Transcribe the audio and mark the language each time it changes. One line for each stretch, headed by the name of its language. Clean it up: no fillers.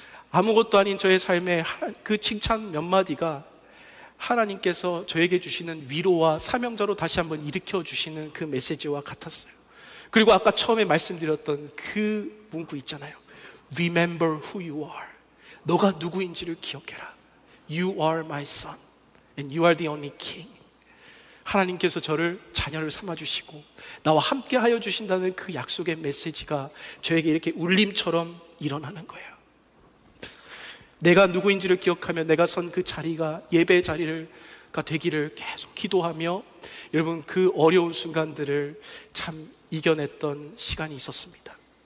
Korean: 아무것도 아닌 저의 삶의 그 칭찬 몇 마디가 하나님께서 저에게 주시는 위로와 사명자로 다시 한번 일으켜 주시는 그 메시지와 같았어요. 그리고 아까 처음에 말씀드렸던 그 문구 있잖아요.
English: Remember who you are.
Korean: 너가 누구인지를 기억해라.
English: You are my son and you are the only king.
Korean: 하나님께서 저를 자녀를 삼아주시고 나와 함께 하여 주신다는 그 약속의 메시지가 저에게 이렇게 울림처럼 일어나는 거예요. 내가 누구인지를 기억하며 내가 선 그 자리가 예배 자리가 되기를 계속 기도하며 여러분 그 어려운 순간들을 참 이겨냈던 시간이 있었습니다.